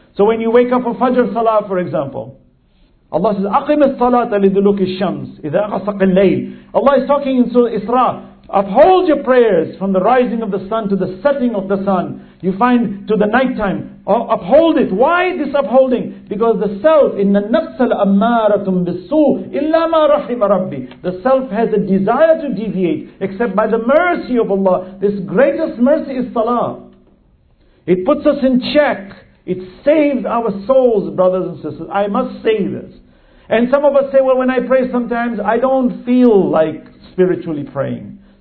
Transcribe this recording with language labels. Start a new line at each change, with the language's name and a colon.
English: So when you wake up for Fajr Salah, for example, Allah says,
Arabic: أَقِمْ الصَّلَاةَ لِدُلُوكِ الشَّمْسِ إِذَا غَسَقِ اللَّيْلِ.
English: Allah is talking in Surah Isra, uphold your prayers from the rising of the sun to the setting of the sun. You find to the night time. Oh, uphold it. Why this upholding? Because the self,
Arabic: إِنَّ النَّفْسَ لَأَمَّارَةٌ بِالسُّوءِ إِلَّا مَا رَحِمَ رَبِّي.
English: The self has a desire to deviate except by the mercy of Allah. This greatest mercy is Salah. It puts us in check. It saves our souls, brothers and sisters. I must say this. And some of us say, well, when I pray sometimes, I don't feel like spiritually praying.